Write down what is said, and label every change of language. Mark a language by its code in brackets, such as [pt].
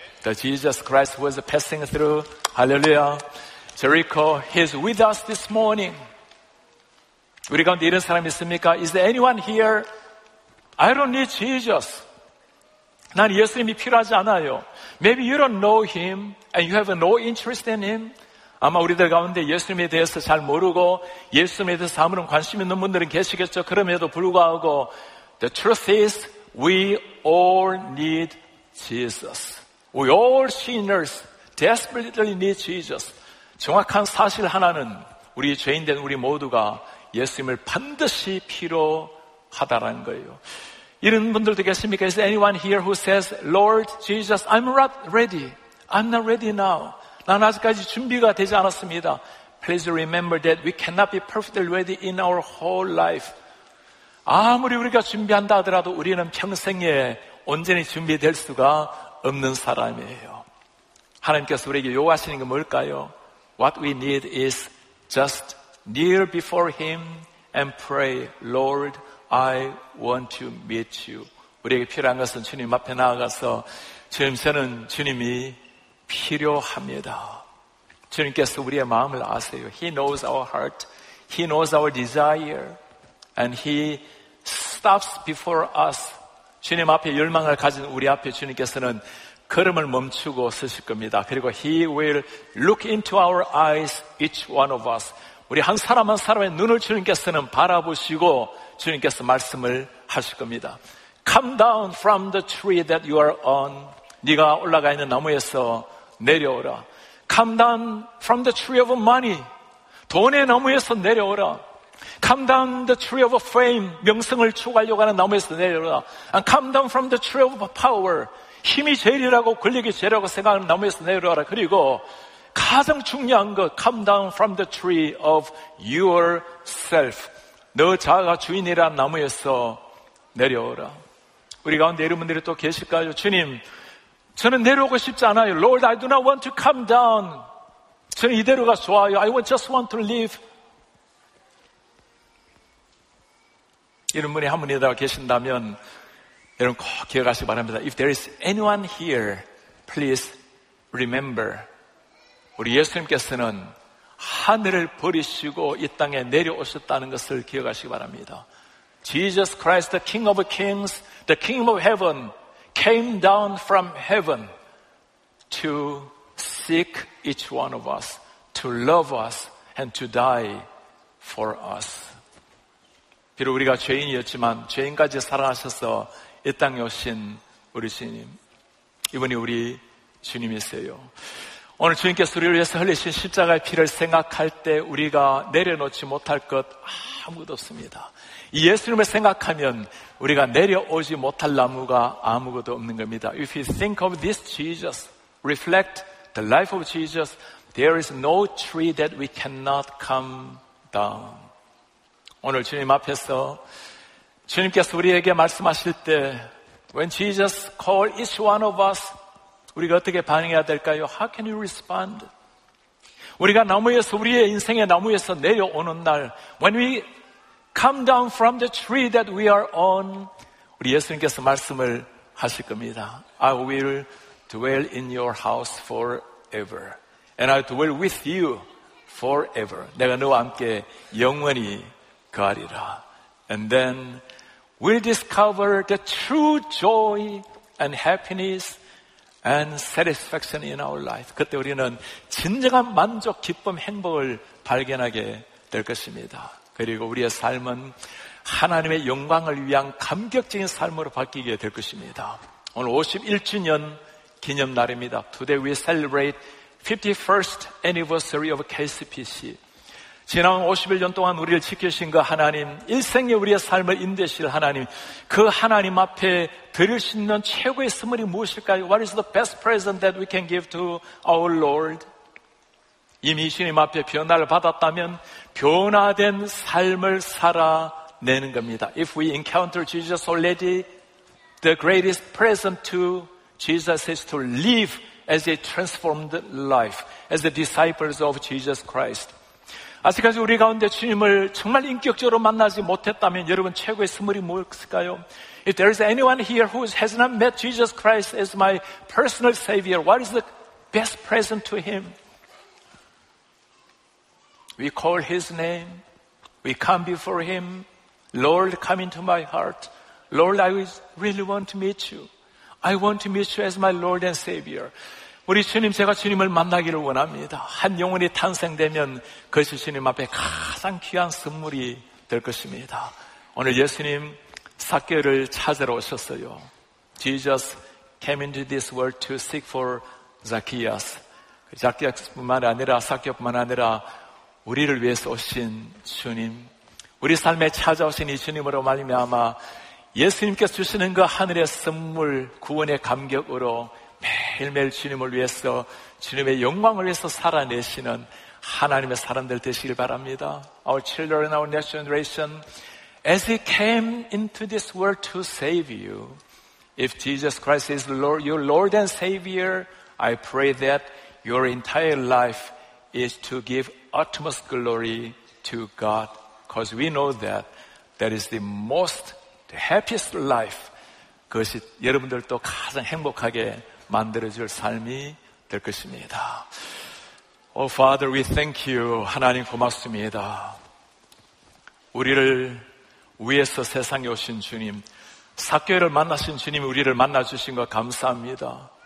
[en] That Jesus Christ was passing through, hallelujah, Jericho, He's with us this morning. [ko] 우리 가운데 이런 사람 있습니까? [en] Is there anyone here? I don't need Jesus. [ko] 난 예수님이 필요하지 않아요. [en] Maybe you don't know Him and you have no interest in Him. [ko] 아마 우리들 가운데 예수님에 대해서 잘 모르고 예수님에 대해서 아무런 관심 있는 분들은 계시겠죠. 그럼에도 불구하고 [en] The truth is we all need Jesus. We all sinners desperately need Jesus. [ko] 정확한 사실 하나는 우리 죄인 된 우리 모두가 예수님을 반드시 필요하다라는 거예요. 이런 분들도 계십니까? [en] Is anyone here who says, Lord Jesus, I'm not ready. I'm not ready now. [ko] 나는 아직까지 준비가 되지 않았습니다. [en] Please remember that we cannot be perfectly ready in our whole life. [ko] 아무리 우리가 준비한다 하더라도 우리는 평생에 온전히 준비될 수가 없는 사람이에요. 하나님께서 우리에게 요구하시는 게 뭘까요? [en] What we need is just kneel before Him and pray, Lord, I want to meet you. [ko] 우리에게 필요한 것은 주님 앞에 나아가서 주님, 저는 주님이 필요합니다. 주님께서 우리의 마음을 아세요. [en] He knows our heart. He knows our desire. And He stops before us. [ko] 주님 앞에 열망을 가진 우리 앞에 주님께서는 걸음을 멈추고 서실 겁니다. 그리고 [en] He will look into our eyes, each one of us. [ko] 우리 한 사람 한 사람의 눈을 주님께서는 바라보시고 주님께서 말씀을 하실 겁니다. [en] Come down from the tree that you are on. [ko] 네가 올라가 있는 나무에서 내려오라. [en] Come down from the tree of money. [ko] 돈의 나무에서 내려오라. [en] Come down the tree of fame. [ko] 명성을 추구하려고 하는 나무에서 내려오라. [en] And come down from the tree of power. [ko] 힘이 제일이라고 권력이 제일이라고 생각하는 나무에서 내려오라. 그리고 가장 중요한 것, [en] come down from the tree of yourself. [ko] 너 자아가 주인이란 나무에서 내려오라. 우리 가운데 이런 분들이 또 계실까요? 주님, 저는 내려오고 싶지 않아요. [en] Lord, I do not want to come down. [ko] 저는 이대로가 좋아요. [en] I just want to live. [ko] 이런 분이 한 분이라도 계신다면 여러분 꼭 기억하시기 바랍니다. [en] If there is anyone here, please remember. [ko] 우리 예수님께서는 하늘을 버리시고 이 땅에 내려오셨다는 것을 기억하시기 바랍니다. [en] Jesus Christ, the King of Kings, the King of Heaven, came down from heaven to seek each one of us, to love us, and to die for us. [ko] 비록 우리가 죄인이었지만 죄인까지 사랑하셔서 이 땅에 오신 우리 주님, 이분이 우리 주님이세요. 오늘 주님께서 우리를 위해서 흘리신 십자가의 피를 생각할 때 우리가 내려놓지 못할 것 아무것도 없습니다. 이 예수님을 생각하면 우리가 내려오지 못할 나무가 아무것도 없는 겁니다. [en] If you think of this Jesus, reflect the life of Jesus, there is no tree that we cannot come down. [ko] 오늘 주님 앞에서 주님께서 우리에게 말씀하실 때 [en] When Jesus calls each one of us, [ko] 우리가 어떻게 반응해야 될까요? [en] How can you respond? [ko] 우리가 나무에서 우리의 인생의 나무에서 내려오는 날 [en] When we come down from the tree that we are on [ko] 우리 예수님께서 말씀을 하실 겁니다. [en] I will dwell in your house forever and I'll dwell with you forever. [ko] 내가 너와 함께 영원히 거하리라. [en] And then we'll discover the true joy and happiness and satisfaction in our life. [ko] 그때 우리는 진정한 만족, 기쁨, 행복을 발견하게 될 것입니다. 그리고 우리의 삶은 하나님의 영광을 위한 감격적인 삶으로 바뀌게 될 것입니다. 오늘 51주년 기념날입니다. [en] Today we celebrate 51st anniversary of KCPC. [ko] 지난 51년 동안 우리를 지켜주신 그 하나님, 일생에 우리의 삶을 인도하실 하나님, 그 하나님 앞에 드릴 수 있는 최고의 선물이 무엇일까요? [en] What is the best present that we can give to our Lord? [ko] 이미 주님 앞에 변화를 받았다면 변화된 삶을 살아내는 겁니다. [en] If we encounter Jesus already, the greatest present to Jesus is to live as a transformed life, as the disciples of Jesus Christ. [ko] 아직까지 우리 가운데 주님을 정말 인격적으로 만나지 못했다면 여러분 최고의 선물이 무엇일까요? [en] If there is anyone here who has not met Jesus Christ as my personal Savior, what is the best present to Him? We call His name. We come before Him. Lord, come into my heart. Lord, I really want to meet you. I want to meet you as my Lord and Savior. [ko] 우리 주님, 제가 주님을 만나기를 원합니다. 한 영혼이 탄생되면 그것이 주님 앞에 가장 귀한 선물이 될 것입니다. 오늘 예수님 삭개오를 찾으러 오셨어요. [en] Jesus came into this world to seek for Zacchaeus. [ko] 자키아스뿐만 아니라 삭개오뿐만 아니라 우리를 위해서 오신 주님, 우리 삶에 찾아오신 이 주님으로 말미암아 예수님께서 주시는 그 하늘의 선물, 구원의 감격으로 매일매일 주님을 위해서, 주님의 영광을 위해서 살아내시는 하나님의 사람들 되시길 바랍니다. [en] Our children, our next generation, as he came into this world to save you, if Jesus Christ is Lord, your Lord and Savior, I pray that your entire life is to give utmost glory to God. Because we know that that is the most, the happiest life. [ko] 그것이 여러분들도 가장 행복하게 만들어줄 삶이 될 것입니다. [en] Oh Father, we thank you. [ko] 하나님 고맙습니다. 우리를 위해서 세상에 오신 주님, 삭개오를 만나신 주님이 우리를 만나주신 것 감사합니다.